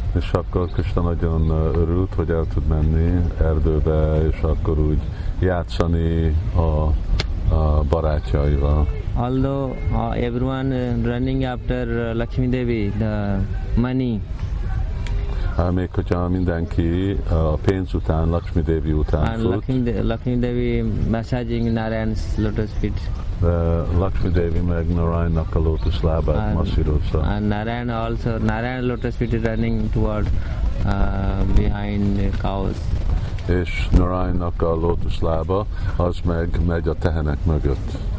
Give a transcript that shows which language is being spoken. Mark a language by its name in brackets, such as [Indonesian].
[Hungarian] És akkor Krishna nagyon örült, hogy el tud menni erdőbe, és akkor úgy játszani a barátjaival. [English] Although everyone running after Lakshmi Devi, the money. [Hungarian] Még hogyha mindenki a pénz után, Lakshmi Devi után [English] and [Hungarian] fut. [English] Lakshmi Devi massaging Narayan's lotus feet. [Hungarian] Lakshmi Devi meg Narayan-nak a lotus lábát masszírozza. [English] And Narayan also, Narayan lotus feet is running toward behind cows. [Hungarian] És Narayan-nak a lotus lába, az meg megy a tehenek mögött.